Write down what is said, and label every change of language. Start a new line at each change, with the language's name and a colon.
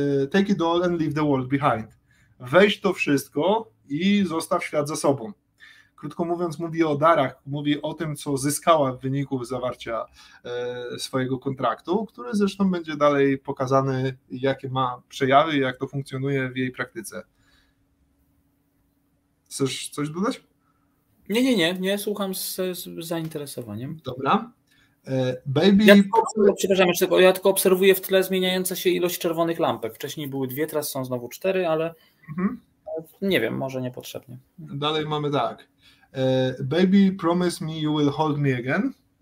English: Take it all and leave the world behind.
Polish: Weź to wszystko i zostaw świat za sobą. Krótko mówiąc, mówi o darach, mówi o tym, co zyskała w wyniku zawarcia swojego kontraktu, który zresztą będzie dalej pokazany, jakie ma przejawy i jak to funkcjonuje w jej praktyce. Chcesz coś dodać? Nie, słucham z zainteresowaniem. Dobra. Baby. Ja tylko obserwuję w tle zmieniająca się ilość czerwonych lampek. Wcześniej były dwie, teraz są znowu cztery, ale nie wiem, może niepotrzebnie. Dalej mamy tak.
English: Baby, promise me you will hold me again.